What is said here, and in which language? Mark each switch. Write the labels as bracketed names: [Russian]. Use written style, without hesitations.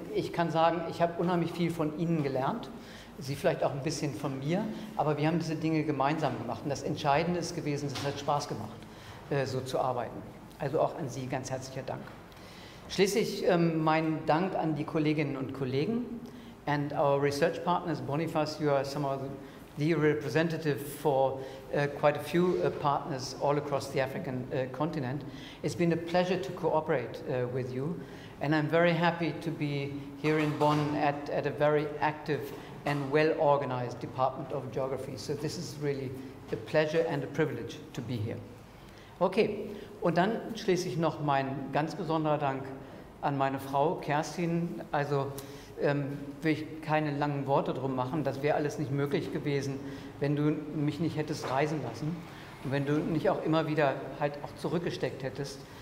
[German] Ich kann sagen, ich habe unheimlich viel von ihnen gelernt. Sie vielleicht auch ein bisschen von mir, aber wir haben diese Dinge gemeinsam gemacht. Und das Entscheidende ist gewesen, es hat Spaß gemacht, so zu arbeiten. Also auch an Sie ganz herzlicher Dank. Schließlich mein Dank an die Kolleginnen und Kollegen. [English] And our research partners, Boniface, you are some of the representative for quite a few partners all across the African continent. It's been a pleasure to cooperate with you. And I'm very happy to be here in Bonn at a very active and well-organized Department of Geography. So this is really a pleasure and a privilege to be here. [German] Okay, und dann schließe ich noch meinen ganz besonderen Dank an meine Frau Kerstin. Also will ich keine langen Worte drum machen, das wäre alles nicht möglich gewesen, wenn du mich nicht hättest reisen lassen und wenn du nicht auch immer wieder halt auch zurückgesteckt hättest.